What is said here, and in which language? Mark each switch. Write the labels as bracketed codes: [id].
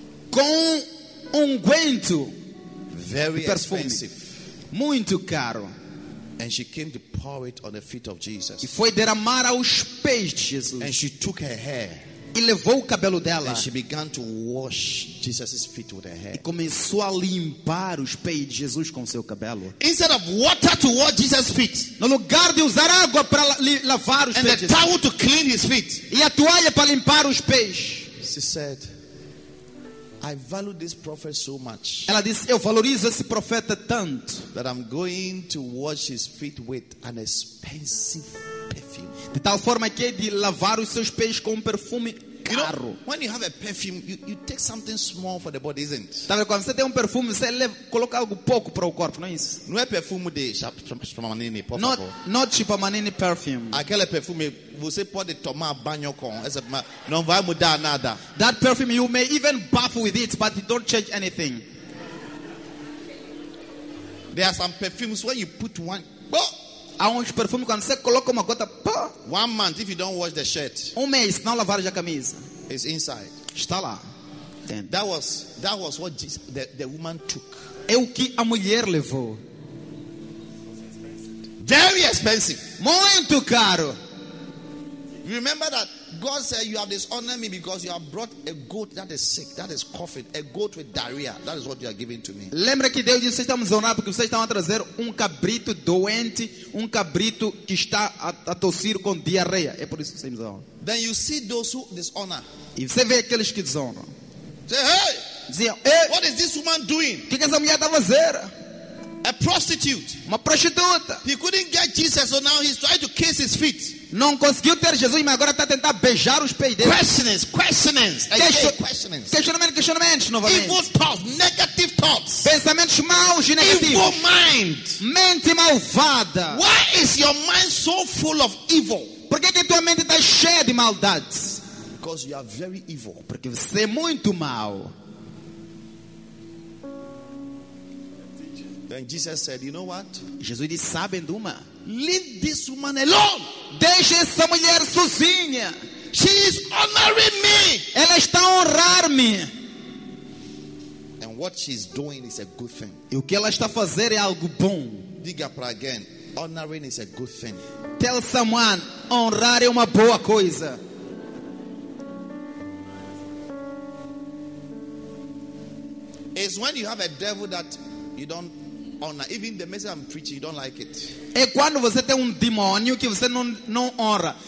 [pt] com unguento [en] very expensive, [pt] muito caro. [en] And she came to pour it on the feet of Jesus. [pt] E foi derramar aos pés de Jesus. [en] And she took her hair. [pt] E levou o cabelo dela. [en] And she began to wash Jesus' feet with her hair. [pt] E começou a limpar os pés de Jesus com seu cabelo. [en] Instead of water to wash Jesus' feet. [pt] No lugar de usar água para lavar os [en] pés. And the towel to clean his feet. [pt] E a toalha para limpar os pés. [en] She said, "I value this prophet so much." [pt] Ela disse, eu valorizo esse profeta tanto. [en] "That I'm going to wash his feet with an expensive perfume." [pt] De tal forma que de lavar os seus pés com perfume caro. [en] You know, when you have a perfume, you take something small for the body, isn't it? [pt] Tá vendo? Quando você tem perfume, você coloca algo pouco para o corpo, não é isso? Não é perfume de Chipamanini, por favor. [en] Not Chipamanini perfume. [pt] Aquele perfume você pode tomar banho com, não vai mudar nada. [en] That perfume you may even bath with it, but it don't change anything. There are some perfumes where you put one. Oh! [pt] Há perfume quando você coloca uma gota. Pá. [en] One month if you don't wash the shirt. [pt] Mês não lavar a camisa. [en] It's inside. [pt] Está lá. [en] That was what Jesus, the woman took. [pt] É o que a mulher levou. [en] Very expensive. [pt] Muito caro. [en] Remember that God said, you have dishonored me because you have brought a goat that is sick, that is coughing, a goat with diarrhea. That is what you are giving to me. [pt] Lembra que Deus disse, vocês estão me desonrando porque vocês estão a trazer cabrito doente, cabrito que está a tossir com diarreia. É por isso que vocês me desonram. [en] Then you see those who dishonor. [pt] E você vê aqueles que desonram. [en] Say, hey! [pt] Dizia, [en] what is this woman doing? [pt] Que essa mulher está a fazer? [en] A prostitute. [pt] Uma prostituta. [en] He couldn't get Jesus, so now he's trying to kiss his feet. [pt] Não conseguiu ter Jesus, mas agora está a tentar beijar os pés dele. [en] Questionings, questionings. [pt] Questionamentos, questionamentos novamente. [en] Evil thoughts, negative thoughts. [pt] Pensamentos maus e negativos. [en] Evil mind. [pt] Mente malvada. [en] Why is your mind so full of evil? [pt] Por que tua mente está cheia de maldades? [en] Because you are very evil. [pt] Porque você é muito mau. [en] And Jesus said, you know what? [pt] Jesus disse, sabe de uma? [en] Leave this woman alone. [pt] Deixe essa mulher sozinha. [en] She is honoring me. [pt] Ela está a honrar-me. [en] And what she's doing is a good thing. [pt] E o que ela está a fazer é algo bom. Diga para [en] again, honoring is a good thing. Tell someone, [pt] honrar é uma boa coisa. [en] It's when you have a devil that you don't honor. Even the message I'm preaching, you don't like it. [pt] É quando você tem demônio que você não honra.